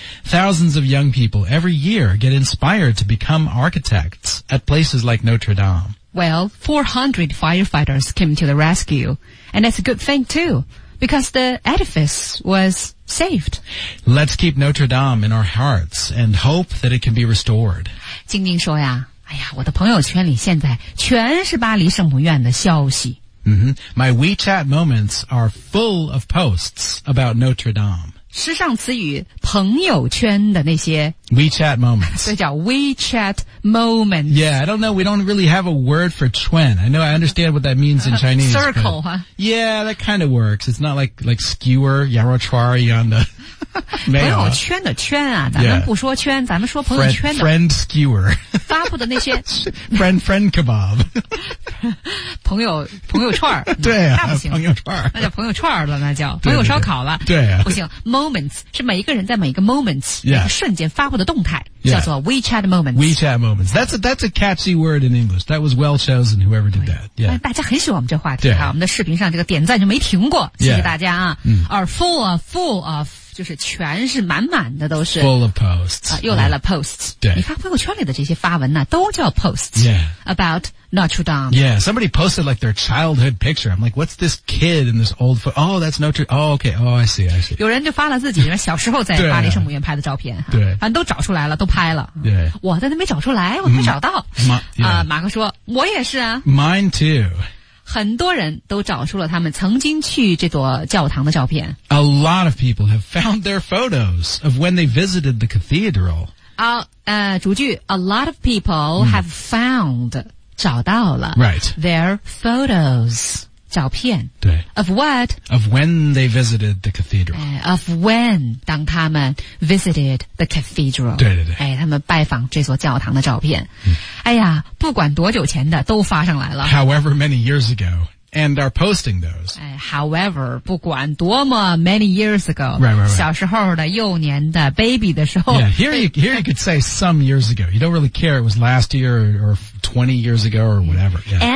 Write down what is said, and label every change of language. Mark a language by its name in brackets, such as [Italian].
[English] Thousands of young people every year get inspired to become architects at places like Notre Dame. Well, 400 firefighters came to the rescue. And that's a good thing, too, because the edifice was... saved. Let's keep Notre Dame in our hearts and hope that it can be restored. [Chinese] 静静说呀，哎呀，我的朋友圈里现在全是巴黎圣母院的消息。 Mm-hmm. [English] My WeChat moments are full of posts about Notre Dame. [Chinese] 时尚词语朋友圈的那些 [English] WeChat moments. [Chinese] 所以叫 WeChat moments. [English] Yeah, I don't know. We don't really have a word for 圈. I know I understand what that means in Chinese. Circle, but, huh? Yeah, that kind of works. It's not like skewer, yarochwar, yanda. [Chinese] 朋友圈的圈啊，咱们不说圈， [English] yeah. [Chinese] 咱们说朋友圈的。 [English] Friend skewer. [Chinese] 发布的那些。 [English] friend kebab. [Chinese] 朋友串儿。对啊。那不行。朋友串儿。那叫朋友串儿了，那叫。朋友烧烤了。对啊。不行。Moments, 是每一个人在每一个 moments, 每个瞬间发布的动态。 [English] Yeah. [Chinese] 叫做 WeChat moments. [English] WeChat moments. That's a catchy word in English. That was well chosen, whoever did that. Yeah. [Chinese] 大家很喜欢我们这话题。对。我们的视频上这个点赞就没停过。 [English] Yeah. [Chinese] 谢谢大家啊。嗯。 [English] Are full of, [Chinese] 就是全是满满的都是 [English] Full of posts、 [Chinese] 又来了 posts、 [English] yeah. [Chinese] 你看朋友圈里的这些发文呢、都叫 posts、 [English] yeah. About Notre Dame Yeah, somebody posted like their childhood picture I'm like, what's this kid in this old photo Oh, that's Notre Dame Oh, okay, oh, I see [Chinese] 有人就发了自己小时候在巴黎圣母院拍的照片对、啊，反正都找出来了都拍了对，我在那没找出来我没找到、 yeah. 马克说我也是啊 [English] Mine too [Chinese] 很多人都找出了他们曾经去这座教堂的照片。 [English] A lot of people have found their photos of when they visited the cathedral. [Chinese] 主句 , [English] a lot of people have found, [Chinese] 找到了 [English] ,right, their photos, [Chinese] 照片。对。 [English] Of what? Of when they visited the cathedral. Of when, [Chinese] 当他们 [English] visited the cathedral. [Chinese] 对对对。他们拜访这座教堂的照片。哎呀不管多久前的都发上来了。 [English] However many years ago, and are posting those. However, [Chinese] 不管多么 [English] many years ago, right. [Chinese] 小时候的幼年的 baby 的时候。 [English] Yeah, here you could say some years ago. You don't really care it was last year or 20 years ago or whatever.、Yeah.